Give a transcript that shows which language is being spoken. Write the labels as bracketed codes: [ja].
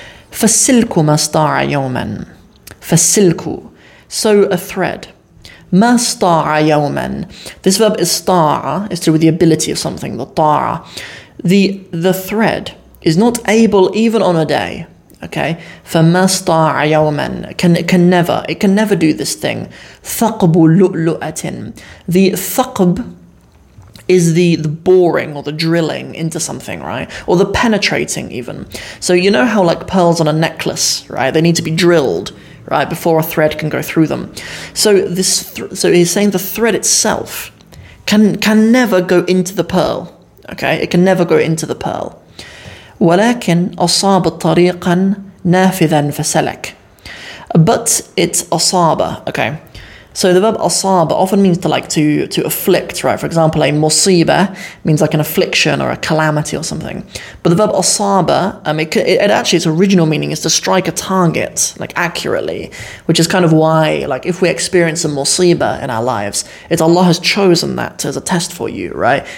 [ar] فَسِلْكُ مَسْتَاعَ يَوْمًا. [en] فَسِلْكُ, so a thread. [ar] مَسْتَاعَ يَوْمًا. [en] This verb is star, is to do with the ability of something, the طَاعَ. The thread is not able even on a day. Okay, [ar] فَمَسْتَاعَ يَوْمًا. [en] It can never do this thing. [ar] ثَقْبُ لُؤْلُؤَةٍ. [en] The ثَقْب is the boring or the drilling into something, right? Or the penetrating even. So you know how, like, pearls on a necklace, right? They need to be drilled, right, before a thread can go through them. So so he's saying the thread itself can never go into the pearl, okay? It can never go into the pearl. [ar] وَلَكِنْ أَصَابَ طَرِيقًا نَافِذًا فَسَلَكْ. [en] But it's [ar] أَصَابَ, [en] okay? So the verb asab often means to like to afflict, right? For example, a musiba means like an affliction or a calamity or something. But the verb asaba, its original meaning is to strike a target, like accurately, which is kind of why, like, if we experience a musiba in our lives, it's Allah has chosen that as a test for you, right?